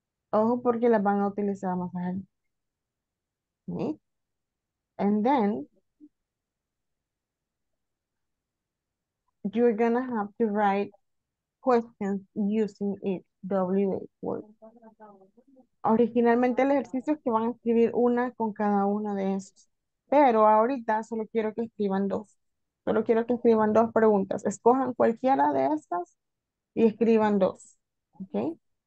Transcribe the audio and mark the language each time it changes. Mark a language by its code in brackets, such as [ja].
[es] Ojo porque las van a utilizar más adelante. ¿Sí? [en] And then, you're gonna have to write questions using it, WH word. [es] Originalmente el ejercicio es que van a escribir una con cada una de esos, pero ahorita solo quiero que escriban dos. Solo quiero que escriban dos preguntas. Escojan cualquiera de estas y escriban dos. ¿Ok?